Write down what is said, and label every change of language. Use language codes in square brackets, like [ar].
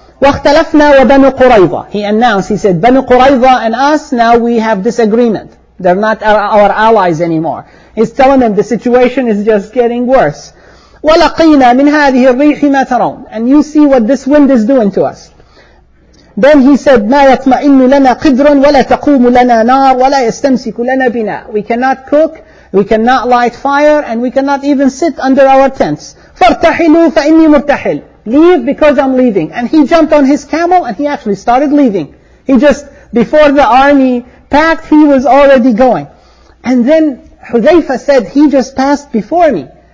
[ar] وَاخْتَلَفْنَا وَبَنُ قُرَيْضَ. [en] He announced, he said, "Banu Qurayza and us, now we have disagreement. They're not our allies anymore." He's telling them the situation is just getting worse. [ar] وَلَقِينَا مِنْ هَذِهِ الرِّيحِ مَا تَرَوْنَ. [en] And you see what this wind is doing to us. Then he said, [ar] "مَا يَطْمَئِنُّ لَنَا قِدْرٌ وَلَا تَقُومُ لَنَا نَارٌ وَلَا يَسْتَمْسِكُ لَنَا بِنَا. [en] We cannot cook, we cannot light fire, and we cannot even sit under our tents. [ar] فَارْتَحِلُوا فَإِنِّي مُرْتَحِلٌ. [en] Leave because I'm leaving." And he jumped on his camel and he actually started leaving. He just, before the army packed, he was already going. And then Hudhayfa said, "He just passed before me.